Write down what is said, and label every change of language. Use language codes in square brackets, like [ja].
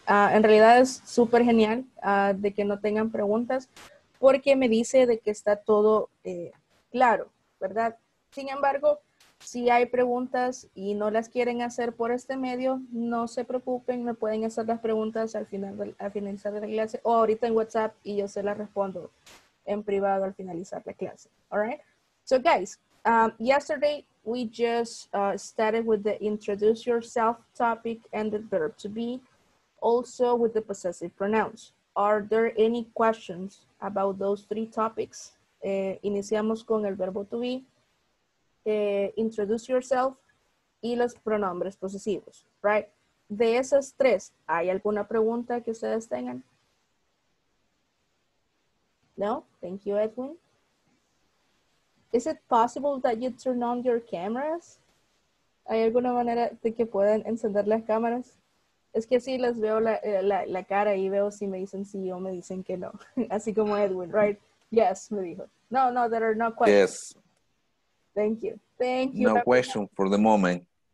[es] En realidad es súper genial de que no tengan preguntas porque me dice de que está todo claro, ¿verdad? Sin embargo, si hay preguntas y no las quieren hacer por este medio, no se preocupen, me pueden hacer las preguntas al finalizar de la clase o ahorita en WhatsApp y yo se las respondo en privado al finalizar la clase, all right? [en] So, guys, yesterday, we just started with the introduce yourself topic and the verb to be, also with the possessive pronouns. Are there any questions about those three topics? [es] Iniciamos con el verbo to be, [en] introduce yourself, [es] y los pronombres posesivos, right? De esas tres, ¿hay alguna pregunta que ustedes tengan? [en] No? Thank you, Edwin. Is it possible that you turn on your cameras? [es] ¿Hay alguna manera de que puedan encender las cámaras? Es que así les veo la cara y veo si me dicen sí o me dicen que no. Así como [en] Edwin, right? Yes, [es] me dijo. [en] No, no, there are no questions. Yes. Thank you. Thank you. No question for the moment.